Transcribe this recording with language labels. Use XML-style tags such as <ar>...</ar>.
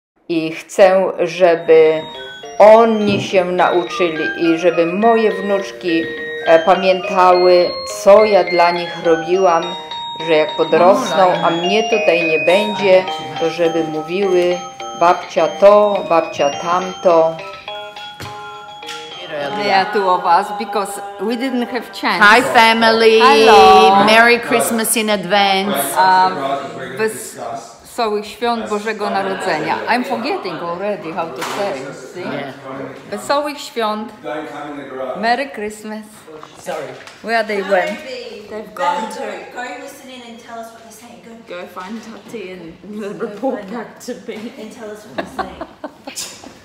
<pl>I chcę, żeby oni się nauczyli i żeby moje wnuczki pamiętały, co ja dla nich robiłam, że jak podrosną, a mnie tutaj nie będzie, to żeby mówiły babcia to, babcia tamto.</pl> <en>There are 2 of us because we didn't have chance. Hi family, hello. Merry Christmas in advance.</en> <pl>Wesołych Świąt Bożego Narodzenia.</pl> <en>I'm forgetting already how to say it, see? Yeah.</en> <pl>Wesołych Świąt.</pl> <en>Merry Christmas. Sorry. Where they went? They've gone to. Go listen in and tell us what they're saying. Go find Tati and report back to me. And tell us what they're saying.</en>